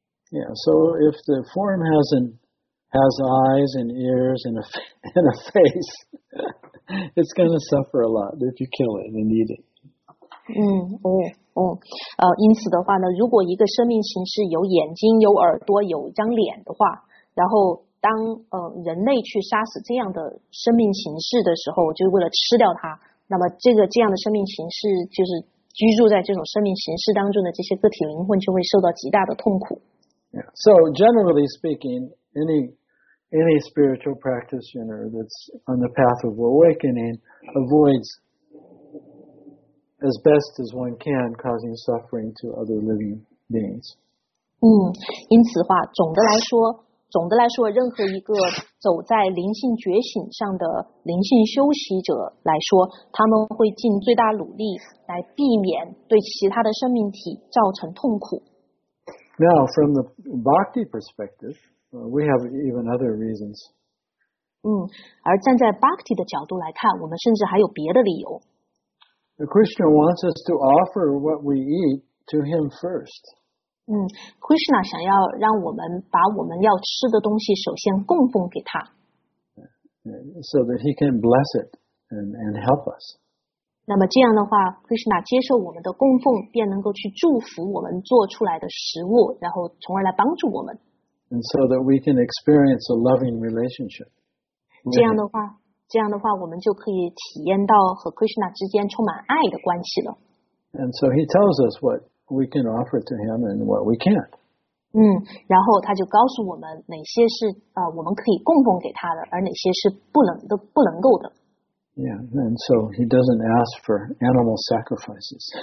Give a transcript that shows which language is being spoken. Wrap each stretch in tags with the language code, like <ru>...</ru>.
<en>Yeah, so if the form has eyes and ears and a face, it's going to suffer a lot if you kill it and eat it.</en> <zh>因此的话呢，如果一个生命形式有眼睛、有耳朵、有一张脸的话，然后当人类去杀死这样的生命形式的时候，就是为了吃掉它，那么这样的生命形式，就是居住在这种生命形式当中的这些个体灵魂就会受到极大的痛苦。</zh> <en>Yeah. So generally speaking, any spiritual practitioner that's on the path of awakening avoids as best as one can causing suffering to other living beings.</en> <zh>因此话，总的来说，任何一个走在灵性觉醒上的灵性修习者来说，他们会尽最大努力来避免对其他的生命体造成痛苦。</zh> <en>Now, from the bhakti perspective, we have even other reasons.</en> <zh>而站在 bhakti 的角度来看，我们甚至还有别的理由。</zh> <en>The Krishna wants us to offer what we eat to him first.</en> <zh>Krishna 想要让我们把我们要吃的东西首先供奉给他。</zh> <en>So that he can bless it and help us.</en> <zh>那么这样的话， Krishna 接受我们的供奉，便能够去祝福我们做出来的食物，然后从而来帮助我们。</zh> <en>And so that we can experience a loving relationship.</en> <zh>这样的话，我们就可以体验到和 Krishna 之间充满爱的关系了。</zh> <en>And so he tells us what we can offer to him and what we can't.</en> <zh>然后他就告诉我们哪些是我们可以供奉给他的，而哪些是不能够的。</zh> <en>Yeah, and so he doesn't ask for animal sacrifices.</en>